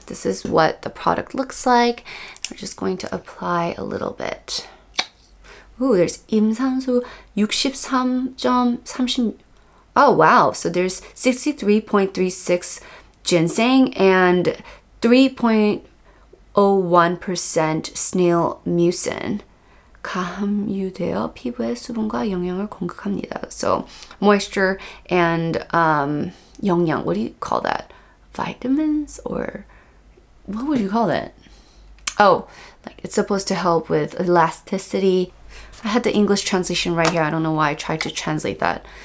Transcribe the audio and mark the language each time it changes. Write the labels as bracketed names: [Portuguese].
[English] This is what the product looks like. We're just going to apply a little bit. Ooh, there's 임산수 63.30. Oh wow, so there's 63.36 ginseng and 3.01% snail mucin. [Korean] 가함유되어 피부에 수분과 영양을 공급합니다. [English] So moisture and 영양, what do you call that? Vitamins or what would you call that? Oh, like it's supposed to help with elasticity. I had the English translation right here. I don't know why I tried to translate that.